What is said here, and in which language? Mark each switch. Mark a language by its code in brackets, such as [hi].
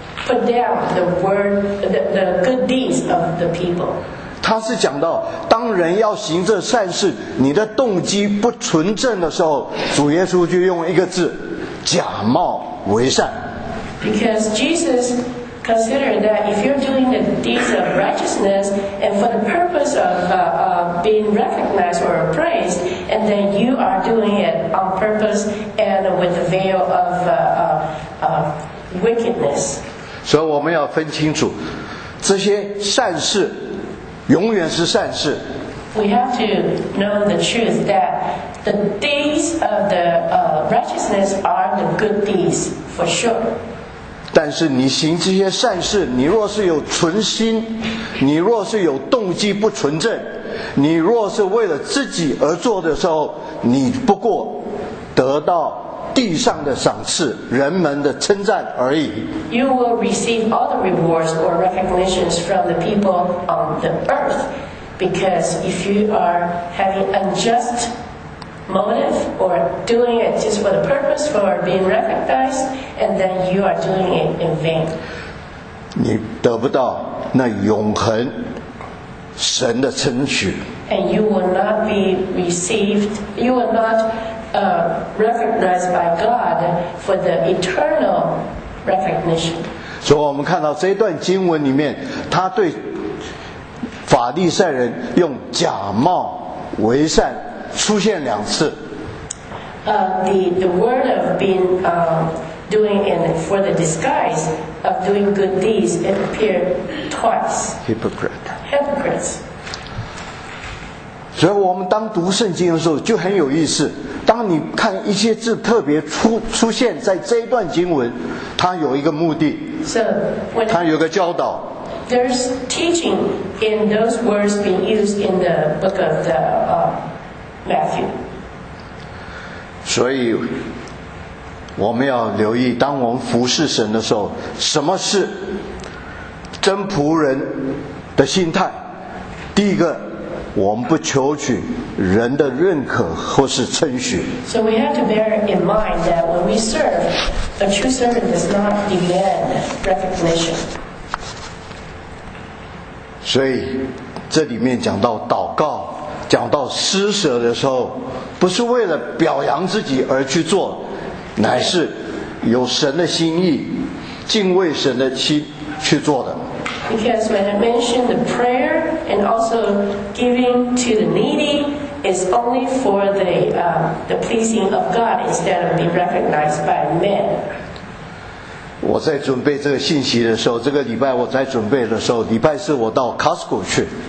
[en] Put down the word, the good deeds of the people. [zh] 他是讲到，当人要行这善事，你的动机不纯正的时候，主耶稣就用一个字，假冒为善。 [en] Because Jesus considered that if you're doing the deeds of righteousness and for the purpose of being recognized or praised, and then you are doing it on purpose and with the veil of wickedness. [zh] 所以我们要分清楚，这些善事永远是善事。 [en] We have to know the truth that the deeds of the righteousness are the good deeds for sure. [zh] 但是你行这些善事，你若是有存心，你若是有动机不纯正，你若是为了自己而做的时候，你不过得到。地上的赏赐，人们的称赞而已。 [en] You will receive all the rewards or recognitions from the people on the earth, because if you are having unjust motive or doing it just for the purpose for being recognized, and then you are doing it in vain. [zh] 你得不到那永恒神的称许。 [en] And you will not be received. You will not. Recognized by God for the eternal recognition. [zh] 所以我们看到这段经文里面，他对法利赛人用假冒为善出现两次。 [en] The word of being doing and for the disguise of doing good deeds it appeared twice. Hypocrite. Hypocrites. [zh] 所以我们当读圣经的时候就很有意思，当你看一些字特别 出现在这一段经文，它有一个目的，它有个教导。 [en] There's teaching in those words being used in the book of the, Matthew. [zh] 所以我们要留意，当我们服侍神的时候，什么是真仆人的心态。第一个，我们不求取人的认可或是称许。 [en] So we have to bear in mind that when we serve, a true servant does not demand recognition. [zh] 所以这里面讲到祷告，讲到施舍的时候，不是为了表扬自己而去做，乃是有神的心意，敬畏神的心去做的。 [en] Because when I mentioned the prayer and also giving to the needy is only for the pleasing of God instead of being recognized by men. [zh] 我在准备这个信息的时候，这个礼拜我在准备的时候，礼拜四我到 Costco 去。